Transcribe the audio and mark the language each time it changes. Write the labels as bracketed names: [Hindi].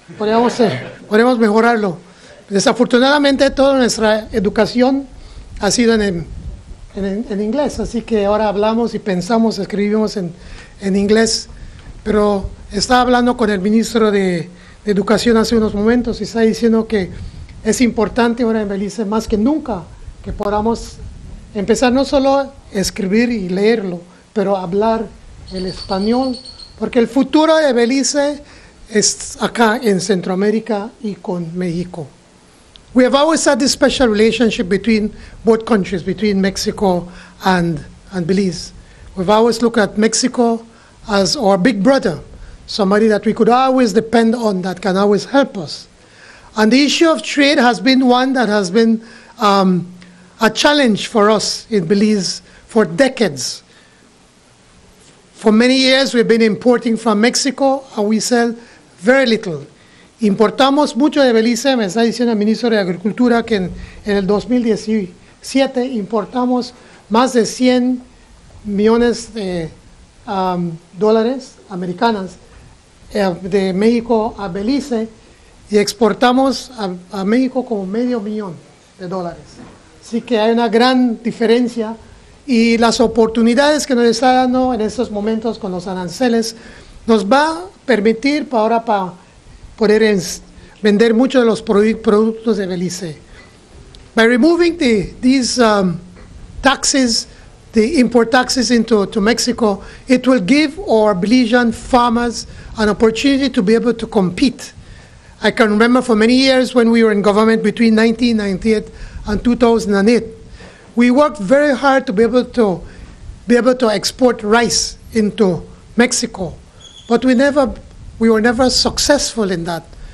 [Spanish] Podríamos mejorarlo. Desafortunadamente, toda nuestra educación ha sido en inglés, así que ahora hablamos y pensamos, escribimos en inglés, pero estaba hablando con el ministro de Educación hace unos momentos y está diciendo que es importante ahora en Belice, más que nunca, que podamos empezar no solo a escribir y leerlo, pero hablar el español, porque el futuro de Belice es acá en Centroamérica y con México. [English] We have always had this special relationship between both countries, between Mexico and Belize. We've always looked at Mexico as our big brother, somebody that we could always depend on, that can always help us. And the issue of trade has been one that has been a challenge for us in Belize for decades. For many years, we've been importing from Mexico, and we sell very little. [Spanish] Importamos mucho de Belice, me está diciendo el ministro de Agricultura que en el 2017 importamos más de 100 millones de dólares americanos de México a Belice, y exportamos a México como medio millón de dólares. Así que hay una gran diferencia, y las oportunidades que nos está dando en estos momentos con los aranceles nos va a permitir para ahora para poder vender muchos de los productos de Belice. [English] By removing these taxes, the import taxes into Mexico, it will give our Belizean farmers an opportunity to be able to compete. I can remember for many years when we were in government between 1998 and 2008, we worked very hard to be able to export rice into Mexico, but we were never successful in that.